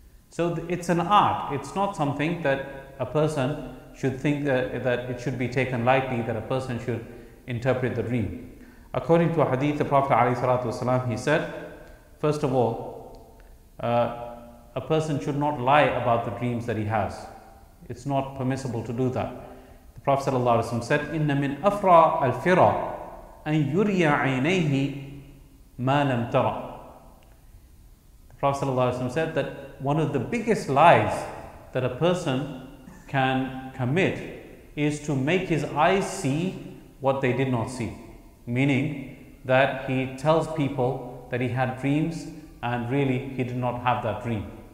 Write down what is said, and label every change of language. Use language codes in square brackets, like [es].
[en] So it's an art. It's not something that a person should think that it should be taken lightly, that a person should interpret the dream. According to a hadith, the Prophet ﷺ, he said, first of all, a person should not lie about the dreams that he has. It's not permissible to do that. The Prophet ﷺ said, [ar] إِنَّ مِنْ أَفْرَى الْفِرَى أَنْ يُرِيَ عَيْنَيْهِ مَا لَمْ تَرَى. [en] The Prophet ﷺ said that one of the biggest lies that a person can commit is to make his eyes see what they did not see. Meaning that he tells people that he had dreams and really he did not have that dream.